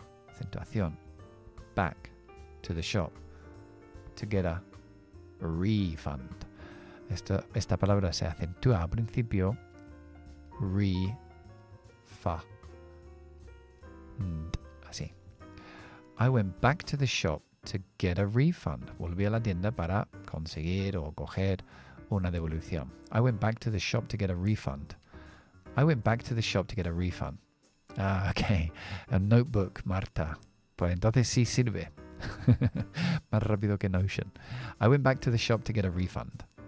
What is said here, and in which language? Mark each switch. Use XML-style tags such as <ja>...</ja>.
<en>Acentuación, back to the shop to get a refund.</en> <es>Esta palabra se acentúa al principio, refund, así.</es> <en>I went back to the shop to get a refund.</en> <es>Volví a la tienda para conseguir o coger una devolución.</es> <en>I went back to the shop to get a refund. I went back to the shop to get a refund.</en> <es>Ah, okay. A notebook, Marta. Pues entonces sí sirve. Más rápido que Notion.</es> <en>I went back to the shop to get a refund.</en>